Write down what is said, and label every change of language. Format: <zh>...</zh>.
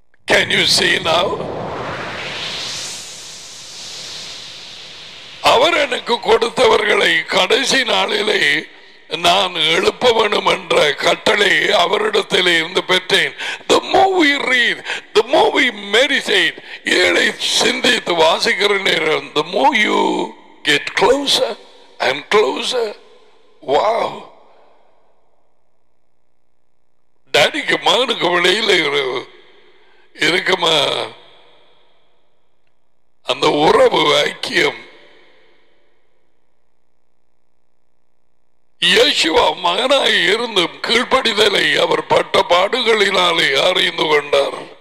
<en>Can you see now?</en> <ta>அவர் எனக்கு கொடுத்தவர்களை கடைசி நாளிலே நான் எழுப்ப வேண்டும் என்ற கட்டளை அவரிடத்திலே இருந்து பெற்றேன்.</ta> <en>The more we read, the more we meditate,</en> <ta>ஏழை சிந்தித்து வாசிக்கிற நேரம்,</ta> <en>the more you get closer and closer. Wow!</en> <ta>டாடிக்கு மகனுக்கு வெளியில் இருக்குமா அந்த உறவு ஐக்கியம்? யேசுவா மகனாய் இருந்தும் கீழ்ப்படிதலை அவர் பட்ட பாடுகளினாலே அறிந்து கொண்டார்.</ta>